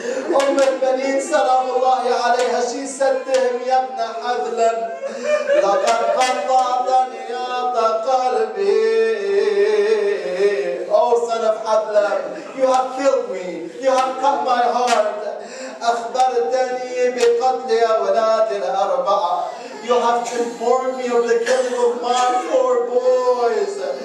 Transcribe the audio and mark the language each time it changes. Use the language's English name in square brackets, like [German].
[English] Umm al-Baneen, salamullahi alayha, she said to him, [Arabic] يا ابن حذلم لقد قطعت نياط قلبي. [English] Oh, son of Hadlam, you have killed me. You have cut my heart. [Arabic] أخبرتني بقتل أولاد الأربعة. [English] You have informed me of the killing of my four boys.